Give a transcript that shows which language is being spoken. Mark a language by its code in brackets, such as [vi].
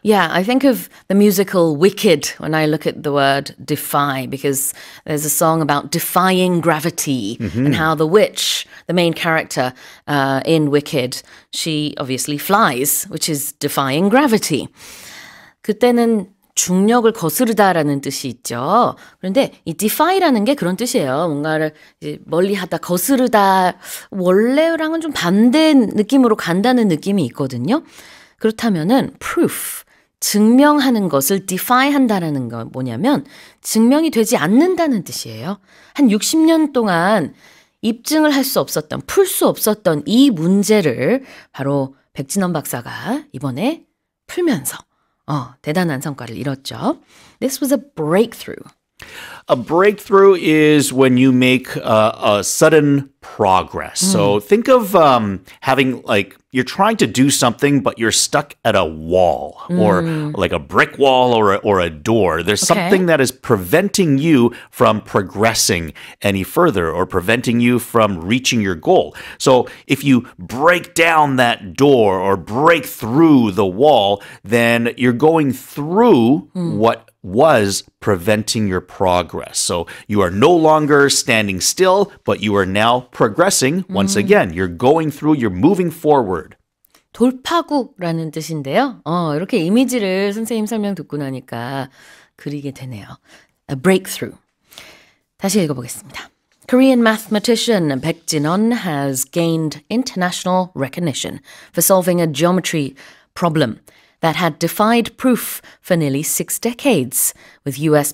[en] Yeah, I think of the musical Wicked when I look at the word defy, because there's a song about defying gravity and how the witch, the main character in Wicked, she obviously flies, which is defying gravity. [ko] 그때는 중력을 거스르다라는 뜻이 있죠. 그런데 이 defy라는 게 그런 뜻이에요. 뭔가를 이제 멀리하다, 거스르다, 원래랑은 좀 반대 느낌으로 간다는 느낌이 있거든요. 그렇다면은 proof, 증명하는 것을 defy한다라는 건 뭐냐면 증명이 되지 않는다는 뜻이에요. 한 60년 동안 입증을 할 수 없었던, 풀 수 없었던 이 문제를 바로 백진언 박사가 이번에 풀면서 대단한 성과를 이뤘죠. [en] This was a breakthrough. A breakthrough is when you make a sudden progress. So think of having like you're trying to do something, but you're stuck at a wall or like a brick wall or a door. There's something that is preventing you from progressing any further or preventing you from reaching your goal. So if you break down that door or break through the wall, then you're going through what was preventing your progress. So you are no longer standing still, but you are now progressing once again. You're going through, you're moving forward. [ko] 돌파구라는 뜻인데요. 이렇게 이미지를 선생님 설명 듣고 나니까 그리게 되네요. [en] A breakthrough. [ko] 다시 읽어보겠습니다. [en] Korean mathematician Baek Jin-eon has gained international recognition for solving a geometry problem that had defied proof for nearly six decades, with U.S.